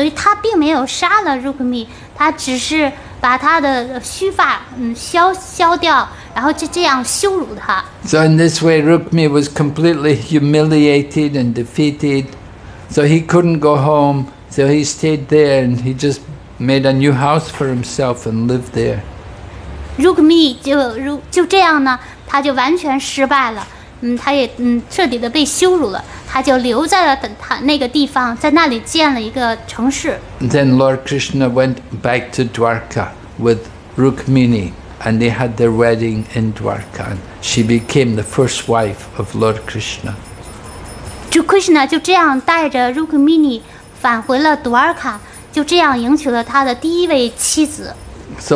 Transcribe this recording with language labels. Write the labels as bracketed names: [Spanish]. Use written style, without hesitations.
[Chinese] 所以他并没有杀了 Rukmi，他只是把他的须发削掉，然后就这样羞辱他。 [English] So in this way, Rukmi was completely humiliated and defeated. So he couldn't go home. So he stayed there and he just made a new house for himself and lived there. [Chinese] Rukmi 就这样呢，他就完全失败了，他也彻底的被羞辱了，他就留在了那个地方，在那里建了一个城市。 [English] Then Lord Krishna went back to Dwarka with Rukmini and they had their wedding in Dwarka and she became the first wife of Lord Krishna. [Chinese] Krishna 就这样带着 Rukmini 返回了杜尔卡，就这样迎娶了他的第一位妻子。 [English] So